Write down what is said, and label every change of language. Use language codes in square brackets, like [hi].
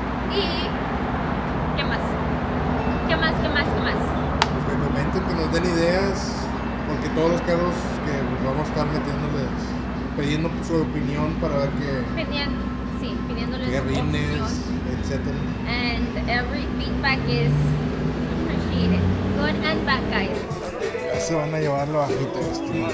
[es] Y qué más. ¿Qué más? Pues que comenten, que nos den ideas, porque todos los carros que vamos a estar metiéndoles, pidiendo su opinión para ver qué. Pidiendo, sí, pidiéndoles. Qué rines, etc. [en] And every feedback is appreciated. Good and bad, guys. [es] Se van a llevar lo bajito, esto.